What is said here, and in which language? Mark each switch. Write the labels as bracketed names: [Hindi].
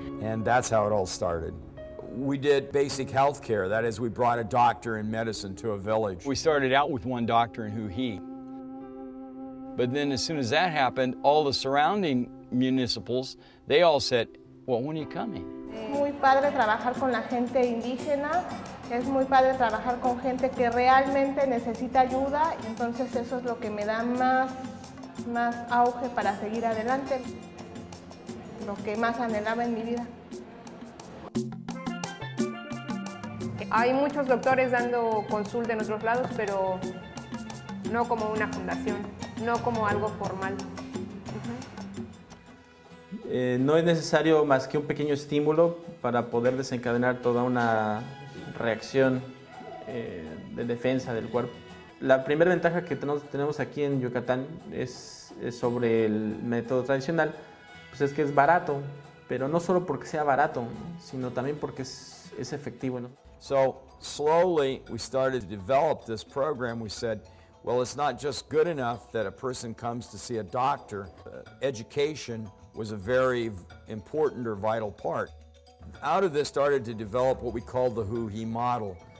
[English] And that's how it all started. We did basic health care, that is, we brought a doctor and medicine to a village. We started out with one doctor in Huhi. But then as soon as that happened, all the surrounding municipals, they all said, well, when are you coming? [Spanish] Es muy padre trabajar con la gente indígena. Es muy padre trabajar con gente que realmente necesita ayuda. Entonces eso es lo que me da más auge para seguir adelante. Lo que más anhelaba en mi vida. Hay muchos doctores dando consulta en otros lados, pero no como una fundación, no como algo formal. No es necesario más que un pequeño estímulo para poder desencadenar toda una reacción de defensa del cuerpo. La primera ventaja que tenemos aquí en Yucatán es sobre el método tradicional, pues es que es barato, pero no solo porque sea barato, sino también porque es efectivo, ¿no? [English] So, slowly we started to develop this program. We said, well, it's not just good enough that a person comes to see a doctor, education was a very important or vital part. Out of this started to develop what we call the Huhi model.